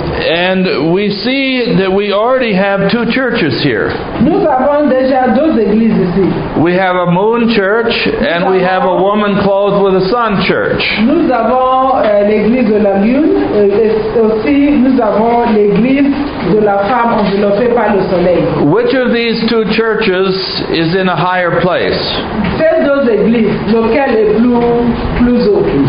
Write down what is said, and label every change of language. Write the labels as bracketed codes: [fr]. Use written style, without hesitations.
[en] And we see that we already have two churches here. [fr] Nous avons déjà deux églises ici. [en] We have a moon church and we have a woman clothed with a sun church. [fr] Nous avons l'église de la lune et aussi nous avons l'église de la femme enveloppée par le soleil. [en] Which of these two churches is in a higher place? [fr] Ces deux églises, lequel est plus haut?